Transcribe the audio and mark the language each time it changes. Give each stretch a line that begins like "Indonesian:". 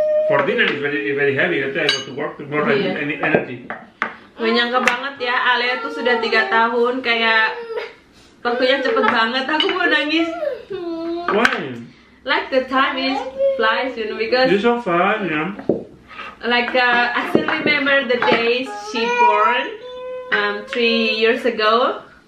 English: For dinner is very very heavy.
Indonesian: Nanti
English: I go to work tomorrow. Yeah. Any energy.
Indonesian: Gak nyangka banget ya, Alea tuh sudah 3 tahun, kayak waktunya cepet banget, aku mau nangis.
English: Why? Like the time is flies, you know, because you're so fun, yeah. Like, I still remember the days she born 3 years ago.